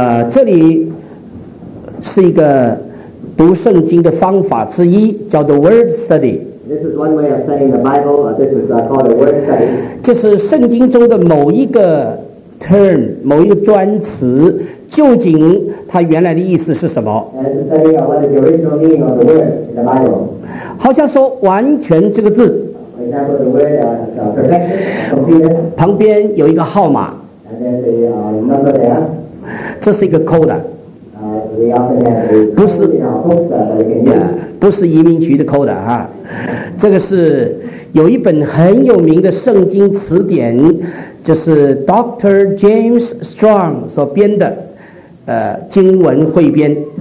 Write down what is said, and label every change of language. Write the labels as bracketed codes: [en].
[zh] 这里是一个读圣经的方法之一，叫做 word study。 [en] This is one way of studying the Bible. This is called a word study. [zh] 就是圣经中的某一个 term， 某一个专词，究竟它原来的意思是什么？ [en] And study what is the original meaning of the word in the Bible. [zh] 好像说完全这个字。 [en] For example, the word perfection, completeness. [zh] 旁边有一个号码。 [en] And then the number there. [zh] 这是一个 code. [en] We often have a [zh] 不是 [en] in our books, but you can use. [zh] Yeah, 不是移民局的 code 啊。这个是有一本很有名的圣经词典，就是 Dr. James Strong 所编的，经文汇编。